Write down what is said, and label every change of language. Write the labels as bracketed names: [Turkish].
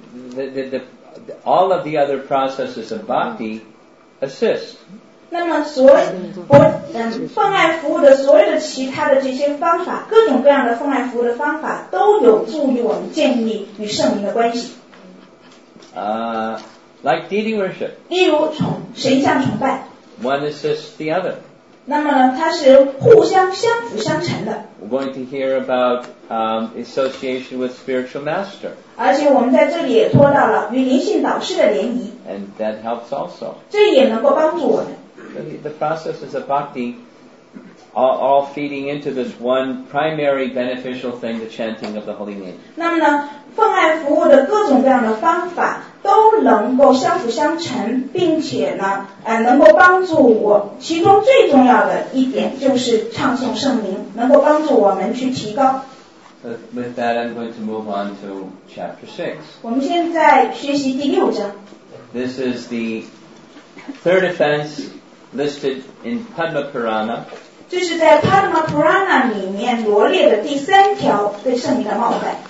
[English] The all of the other processes of bhakti assist. [Chinese] 那么所有奉爱服务的所有的其他的这些方法，各种各样的奉爱服务的方法，都有助于我们建立与圣灵的关系。 [English] Like deity worship. [Chinese] 例如从神像崇拜。 [English] One assists the other. [Chinese] 那么呢，它是互相相辅相成的。 [English] We're going to hear about association with spiritual master. [Chinese] 而且我们在这里也拖到了与灵性导师的联谊。 [English] And that helps also. [Chinese] 这也能够帮助我们。 [English] The processes of bhakti are all feeding into this one primary beneficial thing, the chanting of the Holy Name. [Chinese] 那么呢，奉爱服务的各种各样的方法都能够相辅相成，并且呢，能够帮助我。其中最重要的一点就是唱诵圣名，能够帮助我们去提高。 [English] With that, I'm going to move on to chapter 6. [Chinese] 我们现在学习第六章。 [English] This is the third offense listed in Padma Purana. [Chinese] 这是在 Padma Purana 里面罗列的第三条对圣名的冒犯。